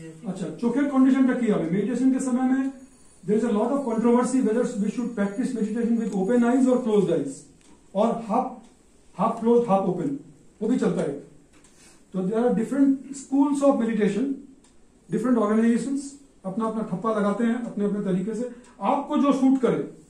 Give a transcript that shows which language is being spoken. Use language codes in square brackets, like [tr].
[bn] আচ্ছা, চোখের কন্ডিশনটা কি হবে মেডিটেশন [hi] কে সময় মে? [en] there is a lot of controversy whether we should practice meditation with open eyes or closed eyes or half half closed half open, [hi] वो भी चलता है। तो [en] there are different schools of meditation, different organisations [hi] अपना अपना ठप्पा लगाते हैं अपने अपने तरीके से, आपको जो सूट करे।